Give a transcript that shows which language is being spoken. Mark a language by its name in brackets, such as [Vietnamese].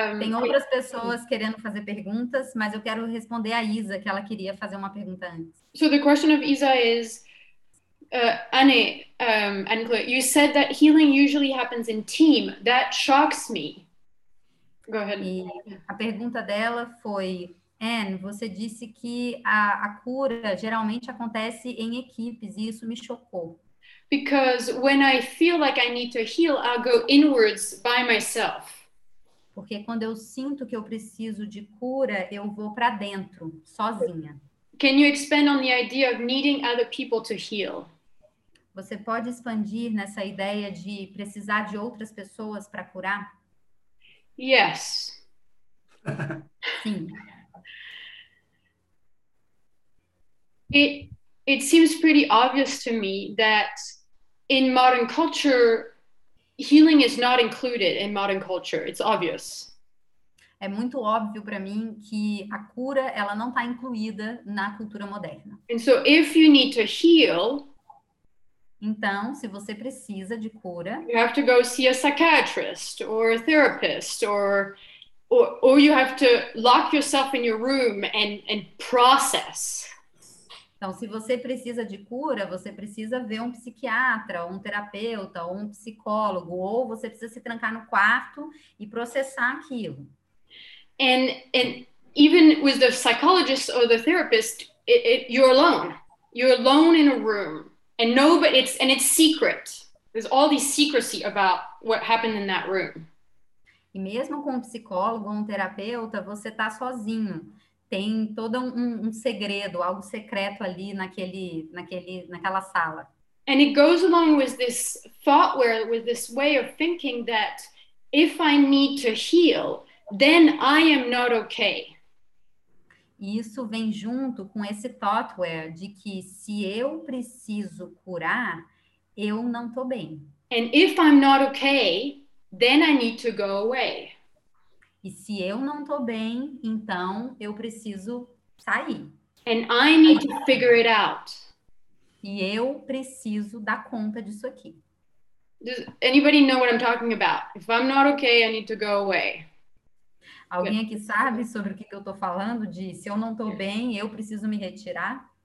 [Portuguese] Tem outras pessoas querendo fazer perguntas, mas eu quero responder a Isa, que ela queria fazer uma pergunta antes. [English] So the question of Isa is, Anne, Anne-Claire, you said that healing usually happens in team. That shocks me. Go ahead. [Portuguese] E a pergunta dela foi, Anne, você disse que a cura geralmente acontece em equipes, e isso me chocou. [English] Because when I feel like I need to heal, I'll go inwards by myself. [Portuguese] Porque quando eu sinto que eu preciso de cura, eu vou para dentro, sozinha. [English] Can you expand on the idea of needing other people to heal? [Portuguese] Você pode expandir nessa ideia de precisar de outras pessoas para curar? [English] Yes. [Portuguese] Sim. [English] It seems pretty obvious to me that in modern culture, healing is not included in modern culture. It's obvious. [Portuguese] É muito óbvio para mim que a cura, ela não está incluída na cultura moderna. [English] And so if you need to heal, [Portuguese] então, se você precisa de cura, [English] you have to go see a psychiatrist or a therapist or Or you have to lock yourself in your room and process. [Portuguese] Então, se você precisa de cura, você precisa ver um psiquiatra, um terapeuta, ou um psicólogo, ou você precisa se trancar no quarto e processar aquilo. [English] And even with the psychologist or the therapist, you're alone. You're alone in a room, and nobody. It's secret. There's all this secrecy about what happened in that room. [Portuguese] E mesmo com um psicólogo ou um terapeuta, você está sozinho. Tem todo um segredo, algo secreto ali naquela sala. [English] And it goes along with this thought, where with this way of thinking that if I need to heal, then I am not okay. [Portuguese] Isso vem junto com esse thoughtware de que se eu preciso curar, eu não tô bem. [English] And if I'm not okay, then I need to go away. [Portuguese] E se eu não tô bem, então eu preciso sair. [English] And I need to figure it out. [Portuguese] E eu preciso dar conta disso aqui. [English] Does anybody know what I'm talking about? If I'm not okay, I need to go away. [Portuguese] Alguém aqui sabe sobre o que eu tô falando? De se eu não tô bem, eu preciso me retirar?